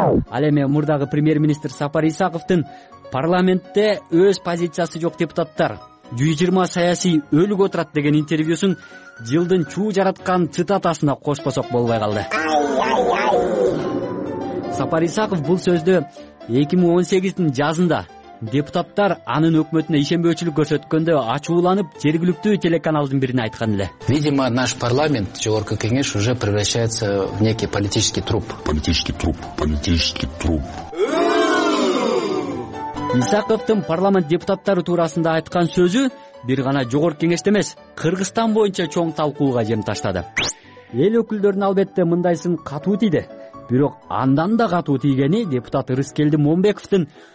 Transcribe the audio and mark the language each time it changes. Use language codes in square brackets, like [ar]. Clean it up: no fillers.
[ky] Ал эми мурдагы премьер-министр Сапар Исаковдун парламентте өз позициясы жок депутаттар 120 саясий өлүк отурат деген интервьюсун жылдын чуу жараткан цитатасына кошпосок болбой калды. Сапар Исаков бул сөздү 2018 жазында депутаттар анын өкмөтүнө ишенбөөчүлүк көрсөткөндө ачууланып жергиликтүү телеканалдын бирине айткан эле. [ru] Видимо, наш парламент, жогорку кеңеш уже превращается в некий политический труп. Политический труп. Политический труп. [ky] Исаковдун парламент депутаттары туурасында айткан сөзү бир гана жогорку кеңеште эмес, Кыргызстан боюнча чоң талкууга жем таштады. Эл өкүлдөрүн албетте мындайсын катуу тийди. Бирок андан да катуу тийгени депутат Рыскелди Момбековдун